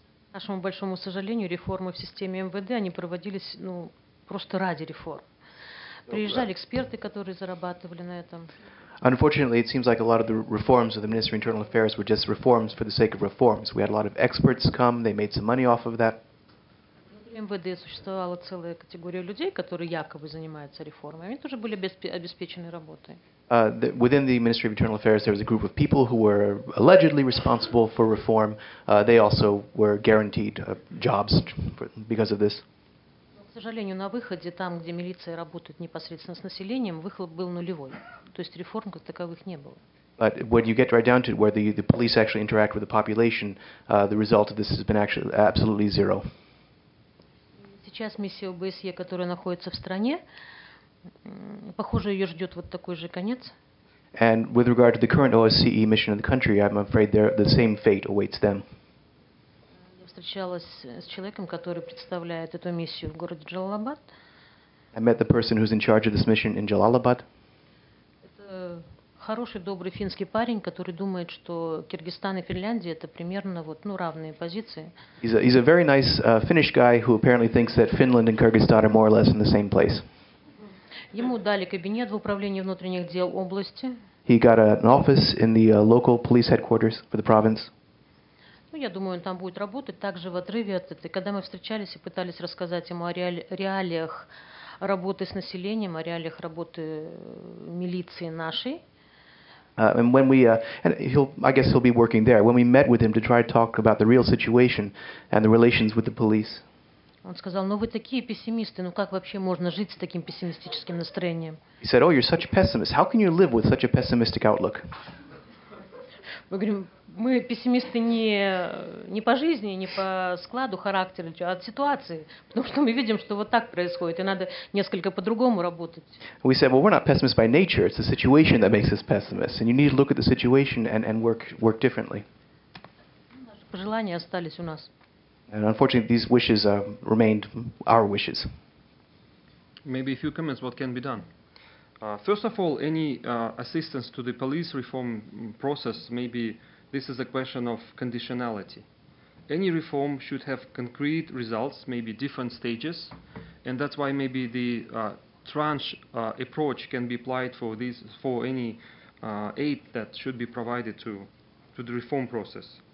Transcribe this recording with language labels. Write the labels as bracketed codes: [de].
[ru] К нашему большому сожалению, реформы в системе МВД они проводились ну просто ради реформ. Приезжали эксперты, которые зарабатывали на этом. [en] Unfortunately, it seems like a lot of the reforms of the Ministry of Internal Affairs were just reforms for the sake of reforms. We had a lot of experts come, they made some money off of that. [ru] В МВД существовала целая категория людей, которые якобы занимаются реформой. Они тоже были обеспечены работой. [en] Within the Ministry of Internal Affairs, there was a group of people who were allegedly responsible for reform. They also were guaranteed jobs because of this. [ru] К сожалению, на выходе, там, где милиция работает непосредственно с населением, выхлоп был нулевой. То есть реформ как таковых не было. [en] But when you get right down to it, where the police actually interact with the population, the result of this has been actually absolutely zero. [ru] Сейчас миссия ОБСЕ, которая находится в стране, похоже, ее ждет вот такой же конец. [en] And with regard to the current OSCE mission in the country, I'm afraid the same fate awaits them. [ru] Я встречалась с человеком, который представляет эту миссию в городе Джалалабад. [en] I met the person who's in charge of this mission in Jalalabad. [ru] Это хороший, добрый финский парень, который думает, что Киргизстан и Финляндия это примерно вот, ну, равные позиции. [en] He's a very nice Finnish guy who apparently thinks that Finland and Kyrgyzstan are more or less in the same place. [ru] Ему дали кабинет в управлении внутренних дел области. [en] He got an office in the local police headquarters for the province. [ru] Ну, я думаю, он там будет работать также в отрыве от этой. Когда мы встречались и пытались рассказать ему о реалиях работы с населением, о реалиях работы милиции нашей. [en] And when we and he'll I guess he'll be working there. When we met with him to try to talk about the real situation and the relations with the police. [ru] Он сказал: «Ну вы такие пессимисты, ну как вообще можно жить с таким пессимистическим настроением?» [en] He said: «Oh, you're such a pessimist. How can you live with such a pessimistic outlook?» [ru] Мы говорим: «Мы пессимисты не по жизни, не по складу характера, а от ситуации, потому что мы видим, что вот так происходит, и надо несколько по-другому работать». [en] We said: «Well, we're not pessimists by nature. It's the situation that makes us pessimists, and you need to look at the situation and work differently». [ru] Наши пожелания остались у нас. [en] And unfortunately, these wishes remained our wishes. Maybe a few comments what can be done. First of all, any assistance to the police reform process, maybe this is a question of conditionality. Any reform should have concrete results, maybe different stages, and that's why maybe the tranche approach can be applied for this, for any aid that should be provided to the reform process.